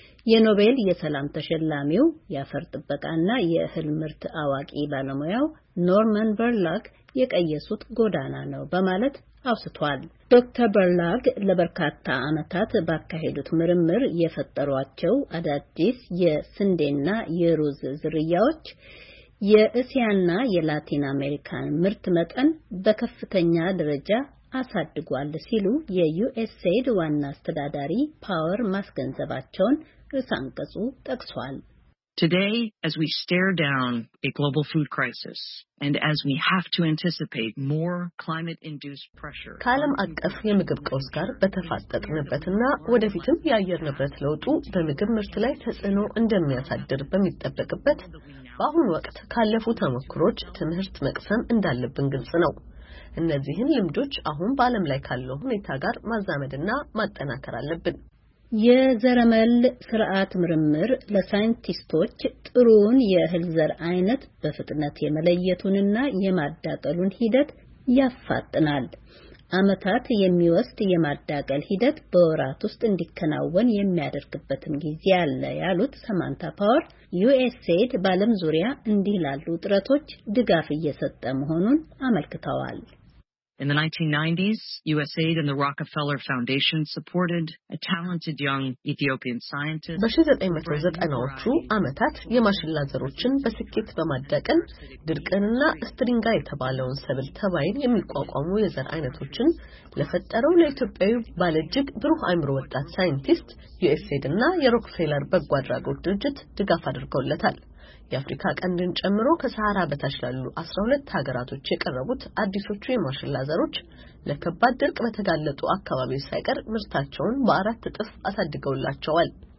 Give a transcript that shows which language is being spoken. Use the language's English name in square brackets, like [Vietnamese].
[Amharic] የኖቤል የሰላም ተሸላሚው የአፈር ጥበቃና የእህል ምርት አዋቂ ባለሙያው ኖርማን በርላግ የቀየሱት ጎዳና ነው በማለት አውስቷል። ዶክተር በርላግ ለበርካታ አመታት ባካሄዱት ምርምር የፈጠሯቸው አዳዲስ የስንዴና የሩዝ ዝርያዎች የእስያና የላቲን አሜሪካን ምርት መጠን በከፍተኛ ደረጃ አሳድጓል ሲሉ የዩኤስኤድ ዋና አስተዳዳሪ ፓወር ማስገንዘባቸውን ርሳንቀጹ ጠቅሷል። [English] Today, as we stare down a global food crisis, and as we have to anticipate more climate-induced pressure... [Amharic] ከዓለም አቀፍ የምግብ ቀውስ ጋር በተፋጠጥንበትና ወደፊትም የአየር ንብረት ለውጡ በምግብ ምርት ላይ ተጽዕኖ እንደሚያሳድር በሚጠበቅበት በአሁኑ ወቅት ካለፉ ተሞክሮች ትምህርት መቅሰም እንዳለብን ግልጽ ነው። እነዚህን ልምዶች አሁን በዓለም ላይ ካለው ሁኔታ ጋር ማዛመድና ማጠናከር አለብን። የዘረመል ፍርአት ምርምር ለሳይንቲስቶች ጥሩውን የህል ዘር አይነት በፍጥነት የመለየቱንና የማዳቀሉን ሂደት ያፋጥናል። አመታት የሚወስድ የማዳቀል ሂደት በወራት ውስጥ እንዲከናወን የሚያደርግበትን ጊዜ አለ ያሉት ሳማንታ ፓወር ዩኤስኤድ ባለም ዙሪያ እንዲህ ላሉ ጥረቶች ድጋፍ እየሰጠ መሆኑን አመልክተዋል። [English] In the 1990s, USAID and the Rockefeller Foundation supported a talented young Ethiopian scientist. [Amharic] በ1990ዎቹ አመታት የማሽላ ዘሮችን በስኬት በማዳቀል ድርቅንና ስትሪንጋ የተባለውን ሰብል ተባይን የሚቋቋሙ የዘር አይነቶችን ለፈጠረው ለኢትዮጵያዊ ባለጅግ ብሩህ አይምሮ ወጣት ሳይንቲስት USAIDና የሮክፌለር በጎ አድራጎት ድርጅት ድጋፍ አድርገውለታል። የአፍሪካ ቀንድን ጨምሮ ከሳሃራ በታች ላሉ 12 ሀገራቶች የቀረቡት አዲሶቹ የማሽላ ዘሮች ለከባድ ድርቅ በተጋለጡ አካባቢዎች ሳይቀር ምርታቸውን በአራት እጥፍ አሳድገውላቸዋል።